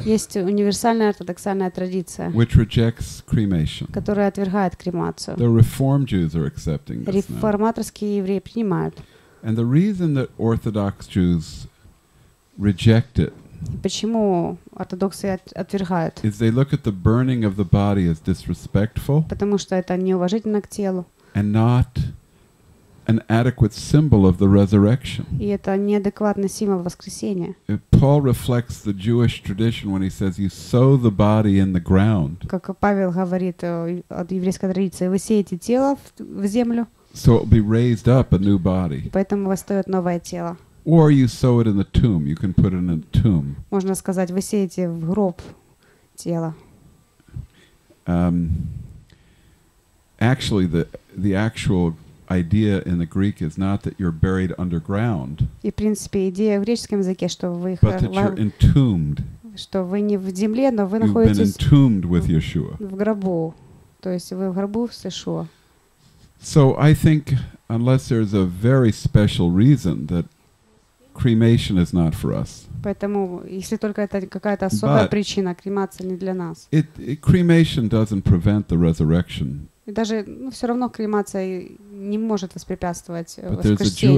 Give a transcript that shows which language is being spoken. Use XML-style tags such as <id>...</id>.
<ru>Есть универсальная ортодоксальная традиция.</ru> <en>Which rejects cremation.</en> <ru>Которая отвергает кремацию.</ru> <en>The Reform Jews are accepting this.</en> <ru>Реформаторские евреи принимают.</ru> <en>And the reason that Orthodox Jews reject it.</en> <ru>Почему ортодоксы отвергают?</ru> <en>Is they look at the burning of the body as disrespectful?</en> <ru>Потому что это неуважительно к телу.</ru> <en>And not an adequate symbol of the resurrection.</en> <ru>И это неадекватный символ воскресения.</ru> <en>Paul reflects the Jewish tradition when he says you sow the body in the ground.</en> <ru>Как Павел говорит от еврейской традиции, вы сеете тело в землю.</ru> <en>So it will be raised up a new body.</en> <ru>Поэтому восстает новое тело.</ru> <en>Or you sow it in the tomb. You can put it in a tomb.</en> <ru>Можно сказать, вы сеете в гроб тело.</ru> <en>Actually, the actual idea in the Greek is not that you're buried underground.</en> <ru>И в принципе идея в греческом языке, что вы</ru> <en>but that you're entombed.</en> <ru>Что вы не в земле, но вы находитесь.</ru> <en>You've been entombed with Yeshua.</en> <ru>В гробу, то есть вы в гробу с Иешуа.</ru> <en>So I think unless there's a very special reason that cremation is not for us.</en> <ru>Поэтому, если только это какая-то особая</ru> <en>but</en> <ru>причина, кремация не для нас.</ru> <en>Cremation doesn't prevent the resurrection.</en> <ru>И даже, ну, все равно кремация не может воспрепятствовать воскрешению.</ru>